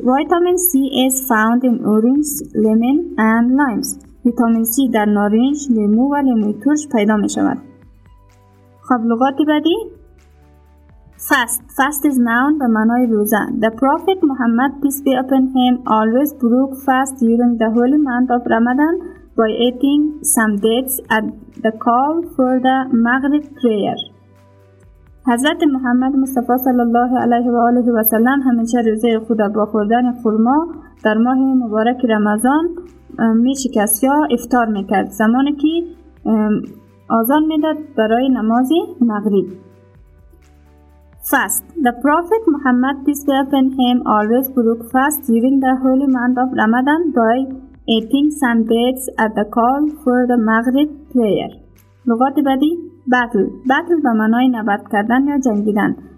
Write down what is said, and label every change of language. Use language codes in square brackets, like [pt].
[en] Vitamin C is found in orange, lemon and limes. [fa] ویتامین C در نارنج، لیمو و لیمو ترش پیدا می شود. خب لغات بعدی؟ [en] Fast. Fast is noun [fa] به معنای روزه. [en] The Prophet Muhammad, peace be upon him, always broke fast during the holy month of Ramadan by eating some dates at the call for the Maghrib prayer. [fa] حضرت محمد مصطفی صلی الله علیه و آله و سلم همیشه روزه خود با خوردن خرما در ماه مبارک رمضان می شکست یا افطار میکرد زمانی که اذان میداد برای نماز مغرب. [en] Fast. The Prophet Muhammad, peace be upon him, always broke fast during the holy month of Ramadan by eating some dates at the call for the Maghrib prayer. [fa] لغات بعدی battle. Battle به معنای نبرد کردن یا جنگیدن.